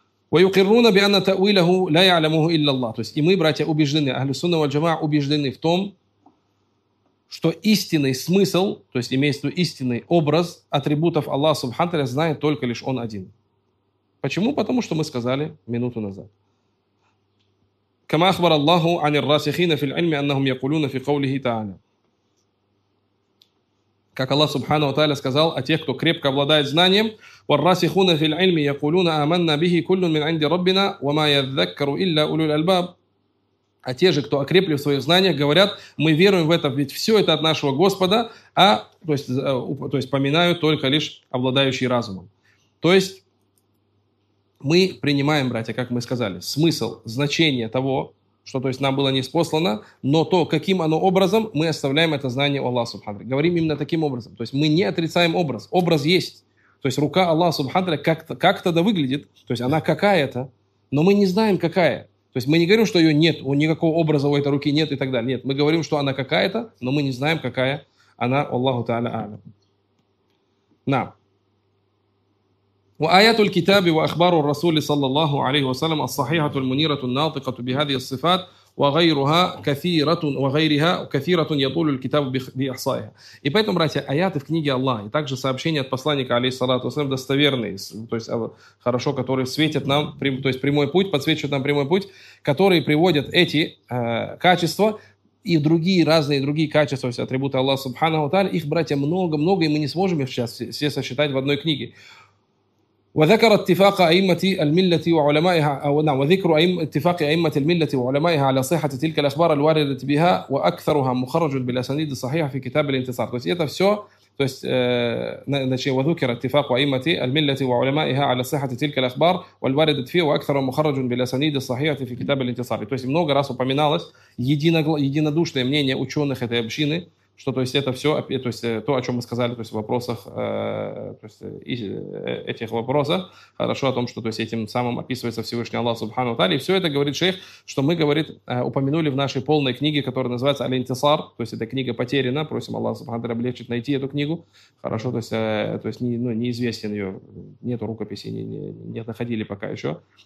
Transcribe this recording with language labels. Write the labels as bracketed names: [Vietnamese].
[Arabic] وَيُقِرُّونَ بِأَنَّ تَأْوِيلَهُ لَا يَعْلَمُهُ إِلَّا اللَّهُ. [Russian] То есть и мы, братья, убеждены, Ахлю Сунна валь Джамаа убеждены в том, что истинный смысл, то есть имеется в виду истинный образ атрибутов Аллаха Субхану Тааля, знает только лишь Он один. Почему? Потому что мы сказали минуту назад. [Arabic] كما أخبر الله عن الراسخين في العلم أنهم يقولون في قوله تعالى. [Russian] Как Аллах Субхана ва Тааля сказал о тех, кто крепко обладает знанием, [Arabic] والراسخون في العلم يقولون آمنا به كل من عند ربنا وما يذكر إلا أولو الألباب. [Russian] А те же, кто окрепли в своих знаниях, говорят, мы веруем в это, ведь все это от нашего Господа, а, то есть поминают только лишь обладающие разумом. То есть мы принимаем, братья, как мы сказали, смысл, значение того, что то есть, нам было ниспослано, но то, каким оно образом, мы оставляем это знание у Аллаха Субханаху. Говорим именно таким образом. То есть мы не отрицаем образ. Образ есть. То есть рука Аллаха Субханаху как-то да выглядит, то есть она какая-то, но мы не знаем, какая. То есть мы не говорим, что ее нет, никакого образа у этой руки нет и так далее. Нет, мы говорим, что она какая-то, но мы не знаем, какая она, Аллаху Та'аля А'ля. На. [Arabic] وآيات الكتاب وأخبار الرسول صلى الله عليه وسلم الصحيحة المنيرة الناطقة بهذه الصفات وغيرها كثيرة وغيرها كثيرة يطول الكتاب بإحصائها. [Russian] И поэтому, братья, аяты в книге Аллаха и также сообщения от посланника алейхиссалату вассалям достоверные, то есть хорошо, которые светят нам, то есть прямой путь, подсвечивают нам прямой путь, которые приводят эти качества и другие разные другие качества, то есть атрибуты Аллаха Субханаху ва Тааля, их, братья, много, и мы не сможем их сейчас все сосчитать в одной книге. [Arabic] وذكر اتفاق أئمة الملة وعلمائها أو نعم وذكر اتفاق أئمة الملة وعلمائها على صحة تلك الأخبار الواردة بها وأكثرها مخرج بالأسانيد الصحيحة في كتاب الانتصار. [Russian] То есть это все, то есть значит [Arabic] وذكر اتفاق أئمة الملة وعلمائها على صحة تلك الأخبار والواردة فيها وأكثر مخرج بالأسانيد الصحيحة في كتاب الانتصار. [Russian] То есть много раз упоминалось единодушное мнение ученых этой общины, что то есть это все, то есть то, о чем мы сказали, то есть в вопросах, то есть и этих вопросах, хорошо о том, что то есть этим самым описывается Всевышний Аллах Субхану Тааля, и все это говорит шейх, что мы, говорит, упомянули в нашей полной книге, которая называется «Аль-Интисар», то есть эта книга потеряна, просим Аллаха Субхану Тааля облегчить найти эту книгу, хорошо, то есть не, ну, неизвестен ее, нету рукописи, не находили пока еще.